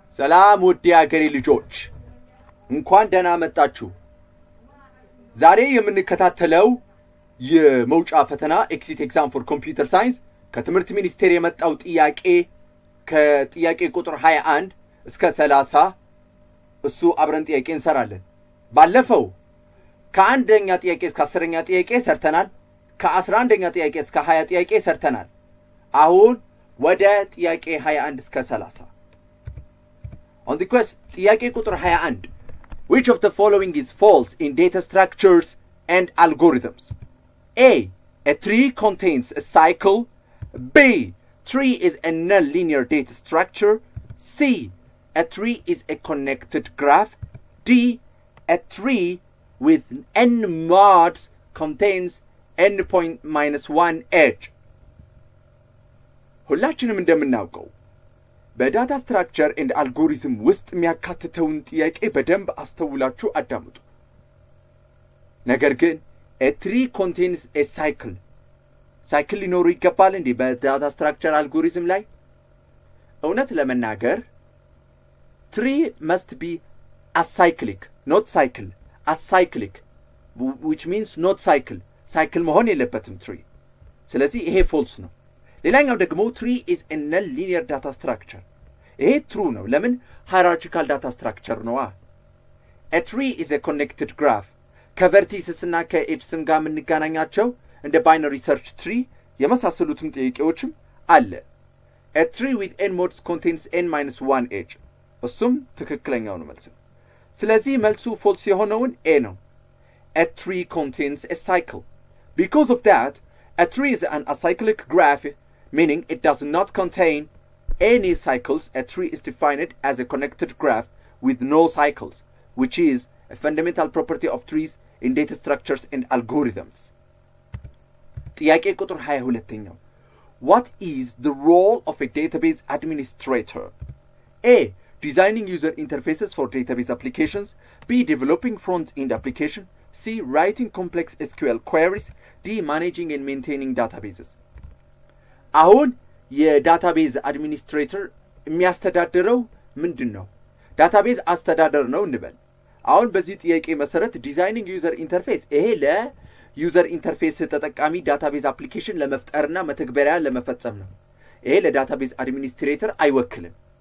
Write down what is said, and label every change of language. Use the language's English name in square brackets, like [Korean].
[Amharic] ሰላም ውድ ያገሬ ልጆች እንኳን ደህና መጣችሁ። ዛሬ የምንከታተለው የመውጫ ፈተና ኤክሲት ኤግዛም ፎር ኮምፒውተር ሳይንስ ከትምህርት ሚኒስቴር የመጣው ጥያቄ ከጥያቄ ቁጥር 21 እስከ 30 እሱ አብረን ጥያቄ እንሰራለን። ባለፈው ከአንደኛ ጥያቄ እስከ 10ኛ ጥያቄ ሰርተናል። ከ11ኛ ጥያቄ እስከ 20 ጥያቄ ሰርተናል። አሁን ወደ ጥያቄ 21 እስከ 30 [English] On the quest, [Amharic] ጥያቄ ቁጥር 21 [English] Which of the following is false in data structures and algorithms? A. A tree contains a cycle. B. Tree is a nonlinear data structure. C. A tree is a connected graph. D. A tree with n mods contains n point minus 1 edge. [Amharic] ሁላችንም እንደምናውቀው በዳታ ስትራክቸር ኤንድ አልጎሪዝም ውስጥ የሚያካትተውን ጥያቄ በደንብ አስተውላችሁ አዳምጡ። ነገር ግን [English] a tree contains a cycle. [Amharic] ሳይክል ሊኖር ይገባል እንዴ በዳታ ስትራክቸር አልጎሪዝም ላይ? እውነት ለመናገር [English] tree must be acyclic, not cycle. Acyclic, which means not cycle. Cycle [Amharic] መሆን የለበትም [English] tree. [Amharic] ስለዚህ ይሄ [English] false [Amharic] ነው። ሌላኛው ደግሞ [English] tree is a nonlinear data structure. [Amharic] ይሄ true ነው። ለምን? [English] Hierarchical data structure [Amharic] ነዋ። [English] A tree is a connected graph. [Amharic] ከቨርቲስስ እና ከኤድስን ጋር የምንገናኛቸው እንደ [English] binary search tree [Amharic] የመሳሰሉትም ጥያቄዎችም አለ። [English] A tree with n mods contains n minus 1 edge. [Amharic] እሱም ትክክለኛው ነው መልሱ። ስለዚህ መልሱ false የሆነውን A ነው። [English] A tree contains a cycle. Because of that, a tree is an acyclic graph, meaning it does not contain any cycles. A tree is defined as a connected graph with no cycles, which is a fundamental property of trees in data structures and algorithms. [Amharic] ጥያቄ ቁጥር 22ኛው [English] What is the role of a database administrator? A. Designing user interfaces for database applications. B. Developing front-end application. C. Writing complex SQL queries. D. Managing and maintaining databases. [Amharic] አሁን የዳታቤዝ አድሚኒስትሬተር የሚያስተዳድረው ምንድን ነው? ዳታቤዝ አስተዳደር ነው እንበል። አሁን በዚህ ጥያቄ መሰረት ዲዛይኒንግ ዩዘር ኢንተርፌስ ይሄ ለዩዘር ኢንተርፌስ ተጠቃሚ ዳታቤዝ አፕሊኬሽን ለመፍጠርና መተግበሪያ ለመፈጸም ነው። ይሄ ለዳታቤዝ አድሚኒስትሬተር አይወክልም።